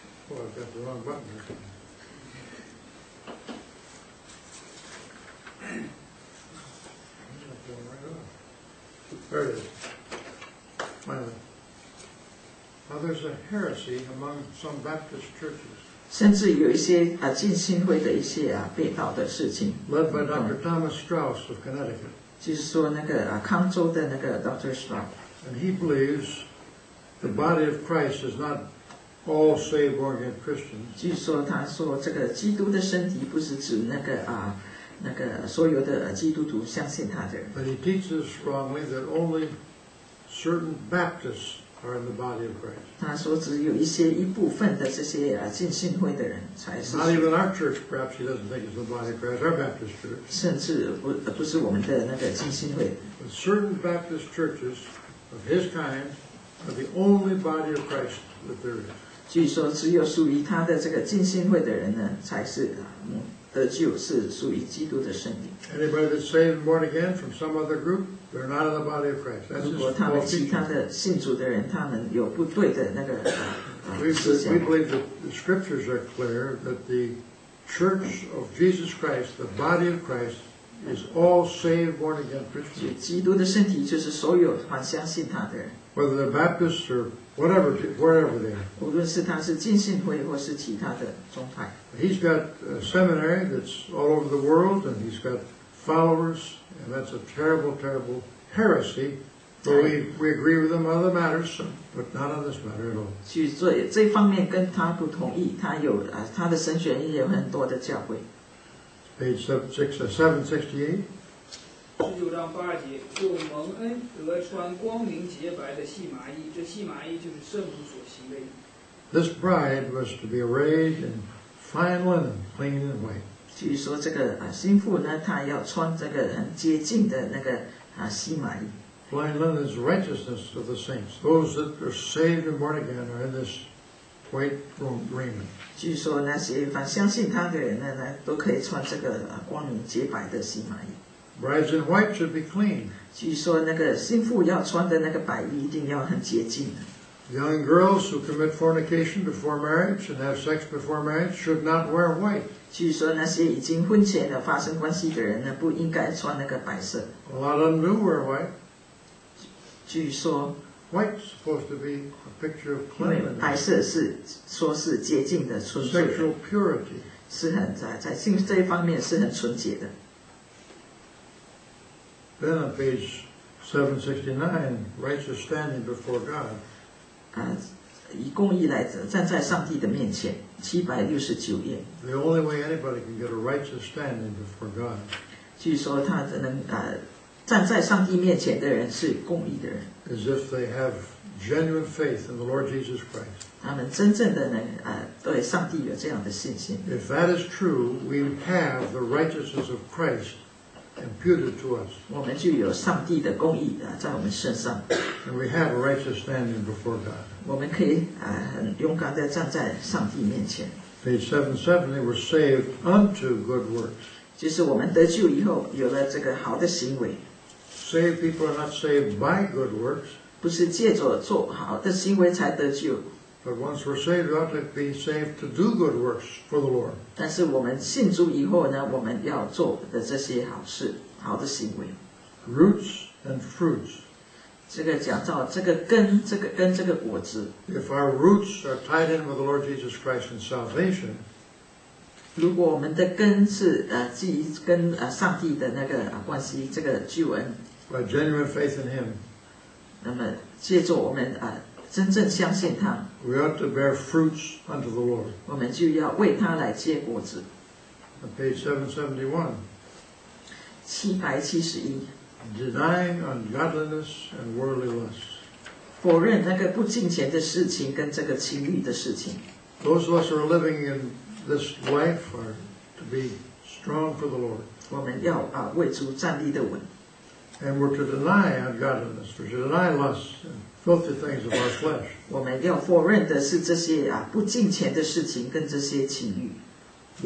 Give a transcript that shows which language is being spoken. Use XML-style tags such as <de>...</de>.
<en>Oh, I've got the wrong button here. I'm not going right off. There it is. Finally. Now, there's a heresy among some Baptist churches.</en> <zh>甚至有一些浸信会的一些被盗的事情。</zh> <en>Led by Dr. Thomas Strauss of Connecticut.</en> <zh>就是说那个康州的那个 Dr.</zh> <en>Strauss. And he believes the body of Christ is not... All saved born again Christians.</en> <zh>据说他说这个基督的身体不是指那个那个所有的基督徒相信他的。</zh> <en>But he teaches strongly that only certain Baptists are in the body of Christ.</en> <zh>他说只有一些一部分的这些浸信会的人才是。</zh> <en>Not even our church, perhaps he doesn't think it's the body of Christ. Our Baptist church.</en> <zh>甚至不是我们的那个浸信会。</zh> <en>But certain Baptist churches of his kind are the only body of Christ.</en> <zh>据说只有属于他的这个浸信会的人呢，才是得救，是属于基督的圣灵。</zh> <en>Anybody that's saved and born again from some other group, they're not in the body of Christ. That's</en> <zh>如果他们其他的信主的人，他们有不对的那个思想。</zh> <en>We believe the scriptures are clear that the church of Jesus Christ, the body of Christ, is all saved, born again Christians.</en> <zh>基督的身体就是所有还相信他的人。</zh> <en>Whether they're Baptists or whatever, wherever they are.</en> <zh>无论是他是浸信会或是其他的宗派。</zh> <en>He's got a seminary that's all over the world, and he's got followers, and that's a terrible, terrible heresy. But we agree with him on other matters, but not on this matter at all.</en> <zh>去做这方面跟他不同意，他有他的神学院有很多的教会。</zh> <en>Page 768.</en> <zh>19-8节，就蒙恩得穿光明洁白的细麻衣，这细麻衣就是圣徒所行的。</zh> <en>This bride was to be arrayed in fine linen, clean and white.</en> <zh>据说这个新妇呢，她要穿这个很洁净的那个细麻衣。</zh> <en>Fine linen is righteousness of the saints. Those that are saved and born again are in this white raiment.</en> <zh>据说那些凡相信他的人呢，都可以穿这个光明洁白的细麻衣。</zh> <en>Brides in white should be clean.</en> <zh>据说那个新妇要穿的那个白衣一定要很洁净。</zh> <en>Young girls who commit fornication before marriage and have sex before marriage should not wear white.</en> <zh>据说那些已经婚前的发生关系的人呢，不应该穿那个白色。</zh> <en>A lot of them do wear white.</en> <zh>据说</zh> <en>white is supposed to be a picture of cleanliness.</en> <zh>白色是说是洁净的纯粹的。</zh> <en>Sexual purity</en> <zh>是很在性这一方面是很纯洁的。</zh> <en>Then on page 769, righteous standing before God.</en> <zh>以公义来站在上帝的面前，769页。</zh> <en>The only way anybody can get a righteous standing before God.</en> <zh>据说他能站在上帝面前的人是公义的人。</zh> <en>As if they have genuine faith in the Lord Jesus Christ.</en> <zh>他们真正的能对上帝有这样的信心。</zh> <en>If that is true, we have the righteousness of Christ. Imputed to us.</en> <zh>我们就有上帝的公义在我们身上。</zh> <en>And we have a righteous standing before God.</en> <zh>我们可以很勇敢地站在上帝面前。</zh> <en>Page 770, we're saved unto good works.</en> <zh>就是我们得救以后有了这个好的行为。</zh> <en>Saved people are not saved by good works.</en> <zh>不是借着做好的行为才得救。</zh> <en>But once we're saved, we ought to be saved to do good works for the Lord.</en> <zh>但是我们信主以后呢，我们要做的这些好事、好的行为。</zh> <en>Roots and fruits.</en> <zh>这个讲到这个根、这个根、这个果子。</zh> <en>If our roots are tied in with the Lord Jesus Christ in salvation,</en> <zh>如果我们的根是基于跟上帝的那个关系，这个救恩。</zh> <en>By genuine faith in Him.</en> <zh>那么借助我们真正相信他。</zh> <en>We ought to bear fruits unto the Lord.</en> <zh>我们就要为他来结果子。</zh> <en>Page 771. 771. Denying ungodliness and worldly lusts.</en> <zh>否认那个不敬虔的事情跟这个情欲的事情。</zh> <en>Those of us who are living in this life are to be strong for the Lord.</en> <zh>我们要为主站立的稳。</zh> <en>And we're to deny ungodliness, we're to deny lusts and filthy things of our flesh.</en> <zh>我们要否认的是这些不敬虔的事情跟这些情欲。</zh>